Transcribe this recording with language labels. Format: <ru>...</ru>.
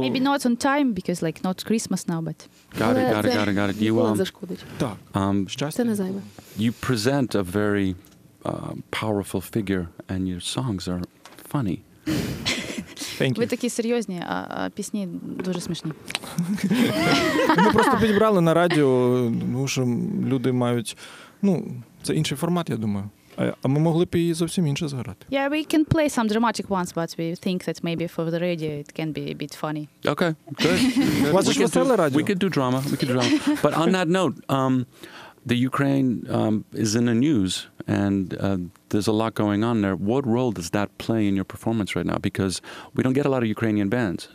<en>Maybe not on time, because like not Christmas now, but... Got it.</en> <uk>Не зашкодить. Так, щастя. Це не займе.</uk> <en>You present a very powerful figure, and your songs are funny. Thank you.</en> <uk>Ви такі серйозні, а пісні дуже смішні. Ми просто підібрали на радіо, тому що люди мають... Ну, це інший формат, я думаю. А ми могли б її зовсім інше зіграти.</uk> <en>Yeah, we can play some dramatic ones, but we think that maybe for the radio it can be a bit funny. Okay, good.</en> <uk>Ваше ж веселе радіо.</uk> <en>We could do drama, But on that note, the Ukraine is in the news, and there's a lot going on there. What role does that play in your performance right now? Because we don't get a lot of Ukrainian bands.</en>